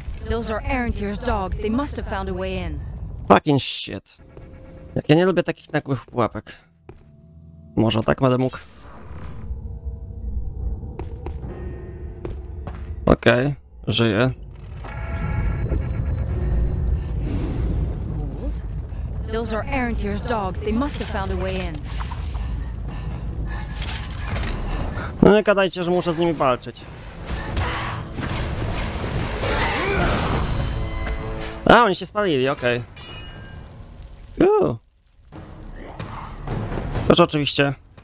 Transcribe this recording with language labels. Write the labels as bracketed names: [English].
[English] Those are Arantir's dogs. They must have found a way in. Fucking shit. [Polish] Jak ja nie lubię takich nagłych pułapek. Może tak będę mógł. Okej, żyję. [English] Those are Arantir's dogs. They must have found a way in. [Polish] No nie gadajcie, że muszę z nimi walczyć. A, oni się spalili, okej. Proszę oczywiście.